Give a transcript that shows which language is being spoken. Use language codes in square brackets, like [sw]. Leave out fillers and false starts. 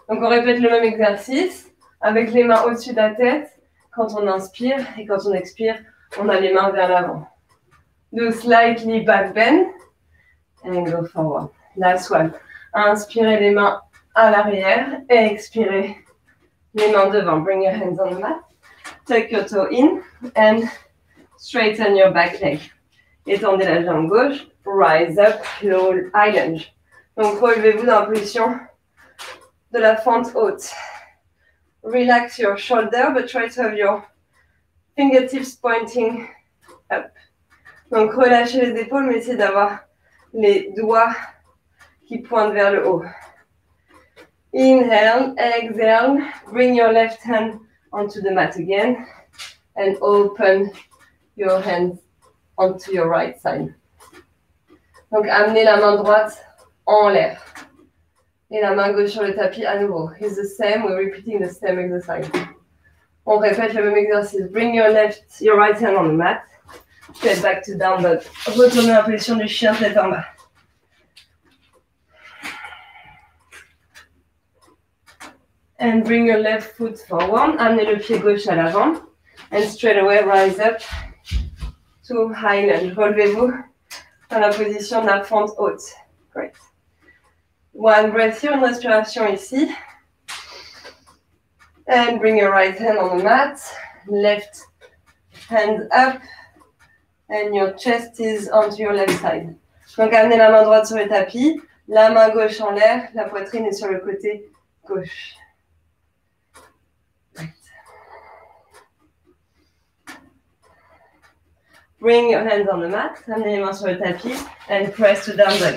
[fr] Donc, on répète le même exercice avec les mains au-dessus de la tête quand on inspire et quand on expire, on a les mains vers l'avant. [en] Do slightly back bend and go forward. Last one. [fr] Inspirez les mains à l'arrière et expirez les mains devant. [en] Bring your hands on the mat. Tuck your toe in and straighten your back leg. [fr] Étendez la jambe gauche. [en] Rise up, low high lunge. [fr] Donc, relevez-vous dans la position de la fente haute. [en] Relax your shoulder, but try to have your fingertips pointing up. [fr] Donc, relâchez les épaules, mais essayez d'avoir les doigts qui pointent vers le haut. [en] Inhale, exhale, bring your left hand onto the mat again and open your hand onto your right side. [fr] Donc, amenez la main droite en l'air. Et la main gauche sur le tapis à nouveau. [en] It's the same, we're repeating the same exercise. [fr] On répète le même exercice. [en] Bring your right hand on the mat. Head back to down dog. [fr] Retournez la position du chien tête en bas. [en] And bring your left foot forward. [fr] Amenez le pied gauche à l'avant. [en] And straight away rise up to high lunge. [fr] Relevez-vous dans la position de la fente haute. [en] Great. One breath here, [fr] une respiration ici. [en] And bring your right hand on the mat. Left hand up. And your chest is onto your left side. [fr] Donc, amenez la main droite sur le tapis. La main gauche en l'air. La poitrine est sur le côté gauche. [en] Bring your hands on the mat. [fr] Amenez les mains sur le tapis. [en] And press to down dog.